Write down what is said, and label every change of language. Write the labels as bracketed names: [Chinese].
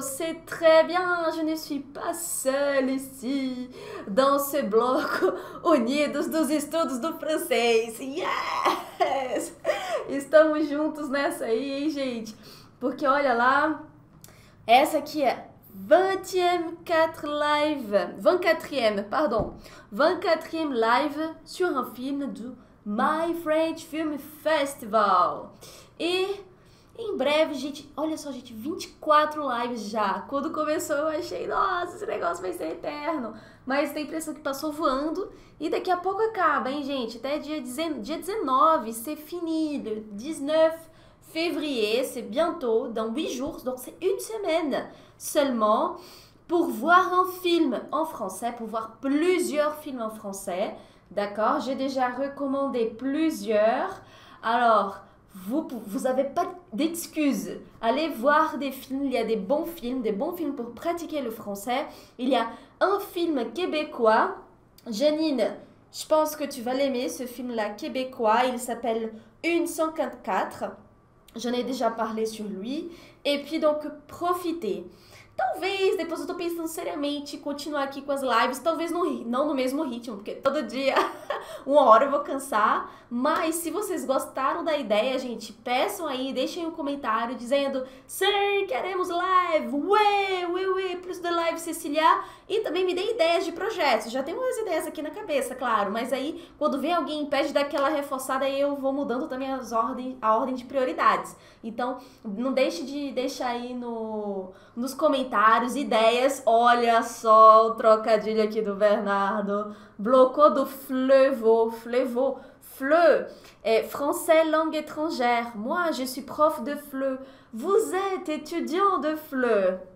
[French] C'est très bien, je ne suis pas seule ici, dans ce [Portuguese] bloco unidos dos estudos do francês! [English] Yes! [Portuguese] Estamos juntos nessa aí, hein, gente? Porque olha lá, essa aqui é 24e live, 24e, [French] pardon, [Portuguese] 24e live [French] sur un film [Portuguese] do My French Film Festival. E em breve, gente, olha só, gente, 24 lives já. Quando começou, eu achei, nossa, esse negócio vai ser eterno. Mas tem a impressão que passou voando e daqui a pouco acaba, hein, gente? Até dia 19, [French] c'est fini, 19 février, c'est bientôt, dans 8 jours, donc c'est une semaine seulement, pour voir un film en français, pour voir plusieurs films en français, d'accord? J'ai déjà recommandé plusieurs, alors vous avez pas d'excuses. Allez voir des films, il y a des bons films pour pratiquer le français. Il y a un film québécois, Janine, je pense que tu vas l'aimer, ce film-là québécois, il s'appelle Une 154. J'en ai déjà parlé sur lui. Et puis donc, profitez. [Portuguese] Talvez, depois eu tô pensando seriamente, continuar aqui com as lives. Talvez não no mesmo ritmo, porque todo dia, uma hora eu vou cansar. Mas se vocês gostaram da ideia, gente, peçam aí, deixem um comentário dizendo: Sim, queremos live! Ué, ué, ué, [French] plus de live, [Portuguese] Cecília! E também me dê ideias de projetos. Já tenho umas ideias aqui na cabeça, claro. Mas aí, quando vem alguém e pede daquela reforçada, aí eu vou mudando também a ordem de prioridades. Então, não deixe de deixar aí no, nos comentários. Comentários, ideias, olha só o trocadilho aqui do Bernardo. Bloco do Fleuvo, Fleuvo, Fleu. [French] É français langue étrangère. Moi, je suis prof de Fleu. Vous êtes étudiant de Fleu.